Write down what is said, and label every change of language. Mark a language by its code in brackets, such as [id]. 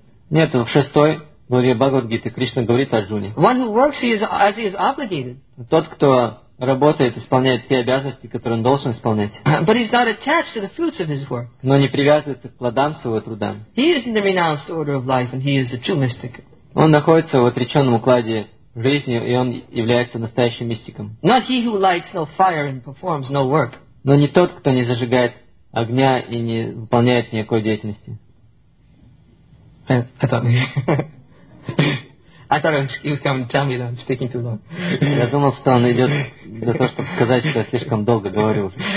[ru] Нет, в шестой главе Бхагавад-гиты Кришна говорит Арджуне. [en] One who works, he is, as he is obligated. [ru] Тот, кто работает, исполняет те обязанности, которые он должен исполнять. [en] But he's not attached to the fruits of his work. [ru] Но не привязывается к плодам своего труда. [en] He is in the renounced order of life, and he is the true mystic. [ru] Он находится в отреченном укладе жизни, и он является настоящим мистиком. [en] Not he who lights no fire and performs no work. [ru] Но не тот, кто не зажигает огня и не выполняет никакой деятельности. [en] I thought he was coming to tell me that I'm speaking too long. [ru] Я думал, что он идет для того, чтобы сказать, что я слишком долго говорю.